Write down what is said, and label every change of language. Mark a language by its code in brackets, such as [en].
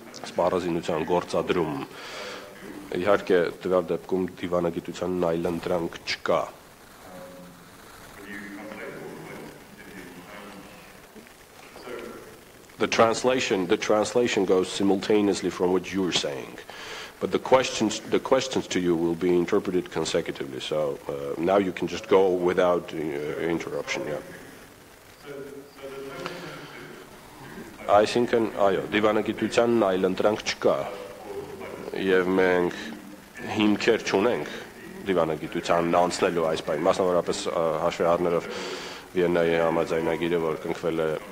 [hy] սպառազինության գործադրում։ Իհարկե, տվյալ դեպքում դիվանագիտության նայլ ընտրանք չկա։ [en] The translation goes simultaneously from what you're saying, but the questions to you will be interpreted consecutively. So now you can just go without interruption. Yeah. [hy] Այսինքն, այո, դիվանագիտության նայլ ընտրանք չկա, և մենք հիմքեր չունենք դիվանագիտության անցնելու այս պայմանը, մասնավորապես հաշվի առնելով Վիեննայի համաձայնագիրը, որ կնքվել է